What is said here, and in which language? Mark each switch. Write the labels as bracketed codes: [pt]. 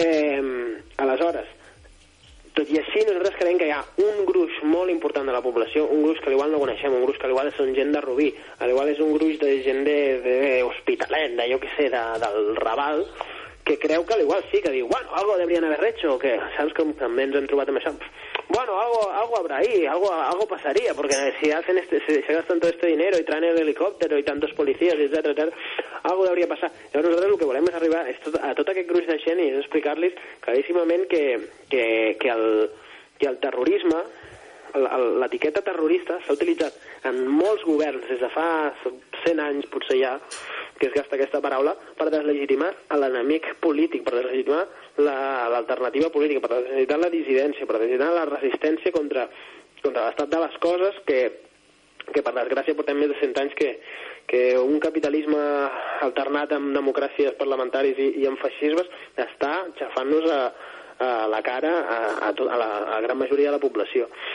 [ca] Aleshores, tot i així, nosaltres creiem que hi ha un gruix molt important de la població, un gruix que igual no coneixem, un gruix que igual són gent de Rubí, igual és un gruix de gent de Hospitalet, de, jo què sé, del Raval, que creu que igual sí, que diu, [es] bueno, algo deberían haber hecho, [ca] o que saps com també ens hem trobat amb això? [es] Bueno, algo habrá ahí, algo pasaría, porque si hacen se gastan todo este dinero y traen el helicóptero y tantos policías, etcétera, etcétera, algo debería pasar. [ca] Llavors nosaltres el que volem és arribar a tot aquest gruix de gent i explicar-los claríssimament que el terrorisme, l'etiqueta terrorista s'ha utilitzat en molts governs des de fa 100 anys potser ja, que es gasta aquesta paraula, per deslegitimar l'enemic polític, per deslegitimar l'alternativa política, per deslegitimar la dissidència, per deslegitimar la resistència contra l'estat de les coses que per desgràcia portem més de 100 anys que un capitalisme alternat amb democràcies parlamentàries i amb feixismes està xafant-nos a la cara a la gran majoria de la població.